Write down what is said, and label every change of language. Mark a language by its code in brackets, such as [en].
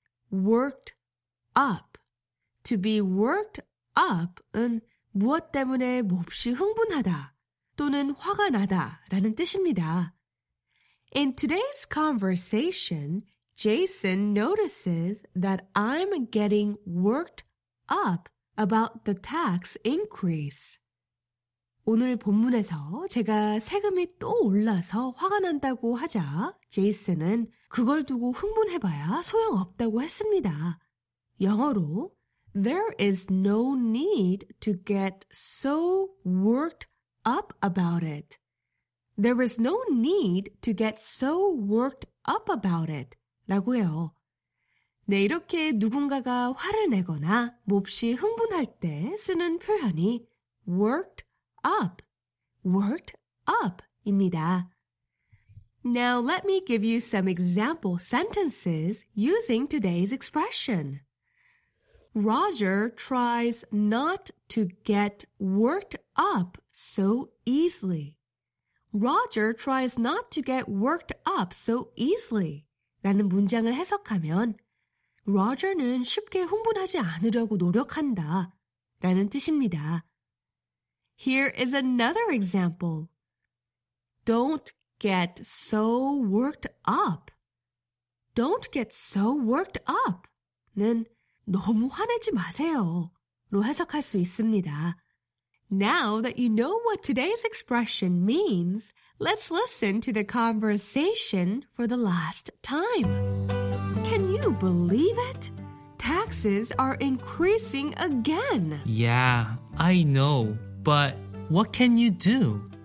[en] Worked up, to be worked up [ko] 은 무엇 때문에 몹시 흥분하다 또는 화가 나다라는 뜻입니다. [en] In today's conversation, Jason notices that I'm getting worked up about the tax increase. [ko] 오늘 본문에서 제가 세금이 또 올라서 화가 난다고 하자 제이슨은 그걸 두고 흥분해봐야 소용없다고 했습니다. 영어로 [en] There is no need to get so worked up about it. There is no need to get so worked up about it. [ko] 라고요. 네, 이렇게 누군가가 화를 내거나 몹시 흥분할 때 쓰는 표현이 worked up, worked up 입니다. [en] Now let me give you some example sentences using today's expression. Roger tries not to get worked up so easily. Roger tries not to get worked up so easily. [ko] 라는 문장을 해석하면 Roger는 쉽게 흥분하지 않으려고 노력한다 라는 뜻입니다. [en] Here is another example. Don't get so worked up. Don't get so worked up. [ko] 는 너무 화내지 마세요로 해석할 수 있습니다. [en] Now that you know what today's expression means, let's listen to the conversation for the last time. Can you believe it? Taxes are increasing again. Yeah, I know. But what can you do?